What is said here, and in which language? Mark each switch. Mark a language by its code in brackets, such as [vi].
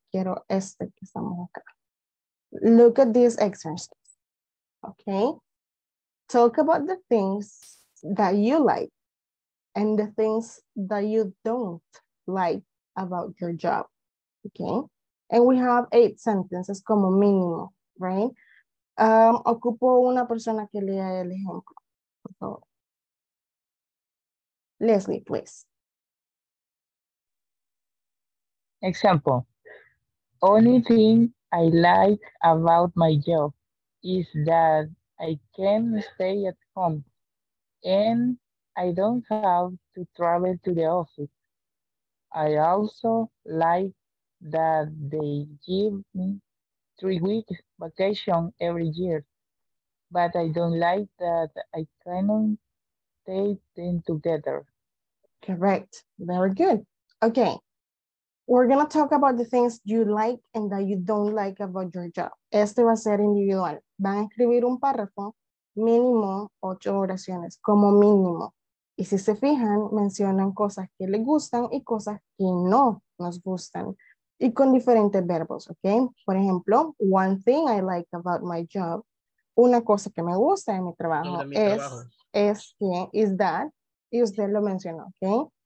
[es] Quiero este que estamos acá. [en] Look at this exercise. Okay. Talk about the things that you like and the things that you don't like about your job. Okay. And we have 8 sentences [es] como mínimo, [en] right? [es] Ocupo una persona que lea el ejemplo, por favor. [en] Leslie, please. Example. Only thing I like about my job is that I can stay at home and I don't have to travel to the office. I also like that they give me 3 weeks vacation every year, but I don't like that I cannot take them together. Correct. Very good. Okay. We're going to talk about the things you like and that you don't like about your job. [es] Este va a ser individual. Van a escribir un párrafo, mínimo 8 oraciones, como mínimo. Y si se fijan, mencionan cosas que les gustan y cosas que no nos gustan. Y con diferentes verbos, ¿ok? Por ejemplo, [en] one thing I like about my job, [es] una cosa que me gusta de mi trabajo, es que, y usted lo mencionó, ¿ok?